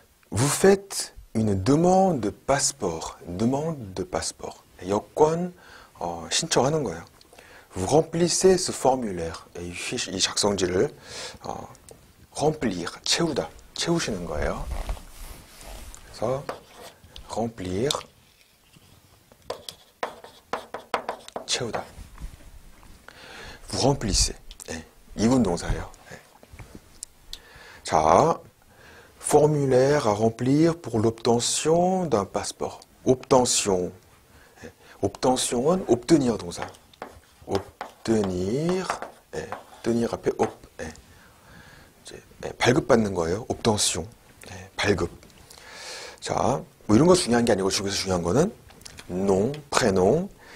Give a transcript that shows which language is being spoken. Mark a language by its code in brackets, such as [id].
[fr] Vous faites une demande de passeport. Demande de passeport. [ko] 여권 신청하는 거예요. [fr] Vous remplissez ce formulaire. [ko] 이 작성지를 remplir, 채우다, 채우시는 거예요. 그래서 remplir. 채우다. [fr] Vous remplissez. [ko] 예, 이분 동사예요. 예. [fr] 자, formulaire à remplir pour l'obtention d'un passeport. Obtention. [ko] 예, obtention은 obtenir 동사. Obtenir. 예, tenir 앞에 op. 예. 이제 발급받는 거예요. Obtention. 예, 발급. 자, 뭐 이런 거 중요한 게 아니고 중에서 중요한 거는 nom, prénom.